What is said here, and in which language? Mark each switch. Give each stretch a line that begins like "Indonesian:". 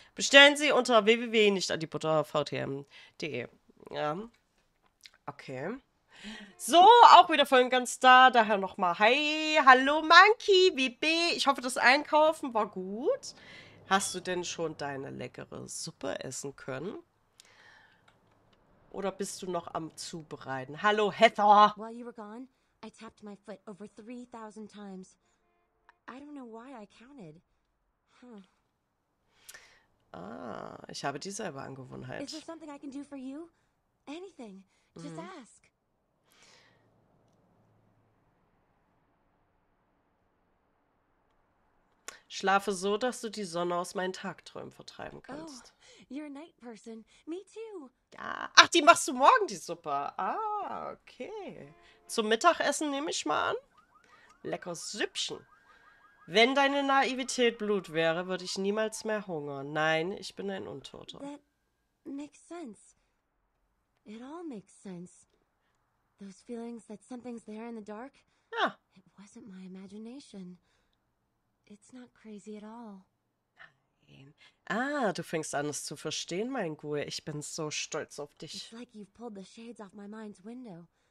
German: Bestellen Sie unter www.nichtandiebuttervtm.de. Ja. Okay. So, auch wieder voll und ganz da. Daher nochmal. Hi, hallo Monkey, WB. Ich hoffe, das Einkaufen war gut. Hast du denn schon deine leckere Suppe essen können? Oder bist du noch am Zubereiten? Hallo, Heather!
English: While you were gone, I tapped my foot over 3000 times. I don't know why I counted.
German: Huh. Ich habe dieselbe Angewohnheit.
English: Is there something I can do for you? Anything. Just ask.
German: Schlafe so, dass du die Sonne aus meinen Tagträumen vertreiben kannst.
English: Oh. You're a night person. Me too.
German: Ach, die machst du morgen, die Suppe. Ah, okay. Zum Mittagessen nehme ich mal an. Lecker Süppchen. Wenn deine Naivität Blut wäre, würde ich niemals mehr hungern. Nein, ich bin ein Untoter.
English: That makes sense. It all makes sense. Those feelings that something's there in the dark.
German: Ja.
English: It wasn't my imagination. It's not crazy at all.
German: Ah, du fängst an, es zu verstehen, mein Ghoul. Ich bin so stolz auf dich.
English: It's like you've pulled the shades off my mind's window.